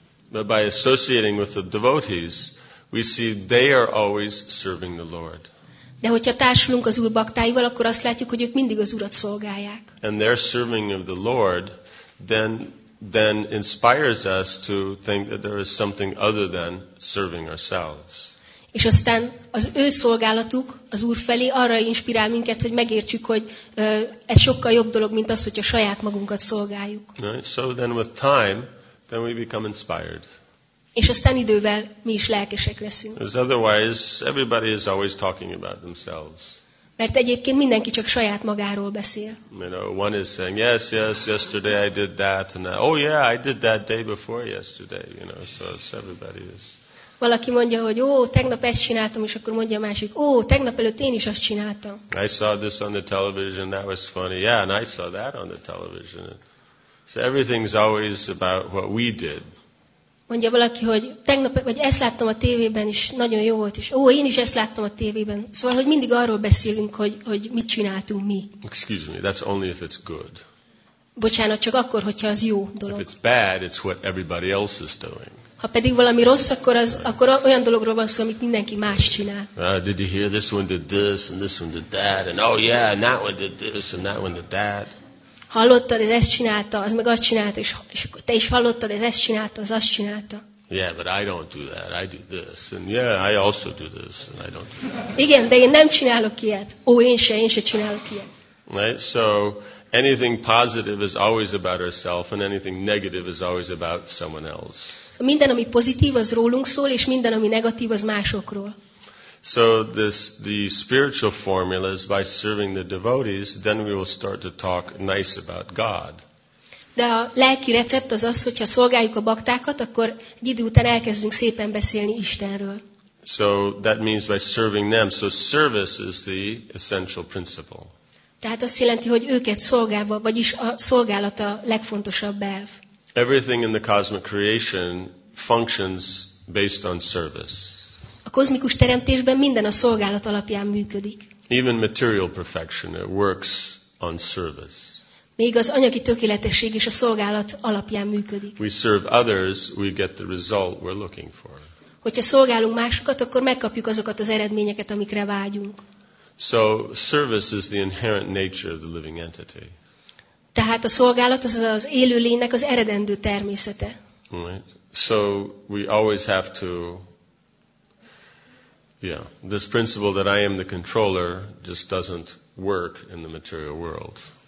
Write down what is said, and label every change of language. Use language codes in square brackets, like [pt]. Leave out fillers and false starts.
[en] But by associating with the devotees, we see they are always serving the Lord. [hu] De hogyha társulunk az Úr baktáival, akkor azt látjuk, hogy ők mindig az Urat szolgálják. [en] And their serving of the Lord then inspires us to think that there is something other than serving ourselves. [hu] És aztán az ő szolgálatuk az Úr felé arra inspirál minket, hogy megértsük, hogy ez sokkal jobb dolog, mint az, hogyha saját magunkat szolgáljuk. [en] Right? So then with time, then we become inspired. [hu] És aztán idővel mi is lelkesek leszünk. [en] Because otherwise, everybody is always talking about themselves. [hu] Mert egyébként mindenki csak saját magáról beszél. [en] You know, one is saying, yes, yes, yesterday I did that, and that. Oh yeah, I did that day before yesterday. You know, so it's everybody is. [hu] Valaki mondja, hogy ó, tegnap ezt csináltam, és akkor mondja a másik, ó, tegnap előtt én is azt csináltam. [en] I saw this on the television, that was funny. Yeah, and I saw that on the television. So everything's always about what we did. [hu] Mondja valaki, hogy tegnap, vagy ezt láttam a tévében, és nagyon jó volt, és ó, én is ezt láttam a tévében. Szóval, hogy mindig arról beszélünk, hogy mit csináltunk mi. [en] Excuse me, that's only if it's good. [hu] Bocsánat, csak akkor, hogyha az jó dolog. [en] If it's bad, it's what everybody else is doing. [hu] Ha pedig valami rossz, akkor az, akkor olyan dologról van szó, amit mindenki más csinál. [en] Did you hear this one did this, and this one did that, and oh yeah, and that one did this, and that one did that. [hu] Hallottad, ez ezt csinálta, az meg azt csinálta, és te is hallottad, ez ezt csinálta, az azt csinálta. [en] Yeah, but I don't do that, I do this, and yeah, I also do this, and I don't do that. [hu] Igen, de én nem csinálok ilyet. Ó, én se csinálok ilyet. [en] Right, so anything positive is always about ourselves, and anything negative is always about someone else. [hu] Minden, ami pozitív, az rólunk szól, és minden, ami negatív, az másokról. [en] So the spiritual formula is by serving the devotees, then we will start to talk nice about God. [hu] De a lelki recept az az, hogyha szolgáljuk a baktákat, akkor egy idő után elkezdünk szépen beszélni Istenről. [en] So that means by serving them. So service is the essential principle. [hu] Tehát azt jelenti, hogy őket szolgálva, vagyis a szolgálat a legfontosabb elv. [en] Everything in the cosmic creation functions based on service. [hu] A kozmikus teremtésben minden a szolgálat alapján működik. [en] Even material perfection, it works on service. [hu] Még az anyagi tökéletesség is a szolgálat alapján működik. [en] We serve others, we get the result we're looking for. [hu] Hogyha szolgálunk másokat, akkor megkapjuk azokat az eredményeket, amikre vágyunk. [en] So service is the inherent nature of the living entity. [hu] Tehát a szolgálat az az élőlénynek az eredendő természete. [en] Right. So we always have to, yeah, this principle that I am the controller just doesn't work in the material world.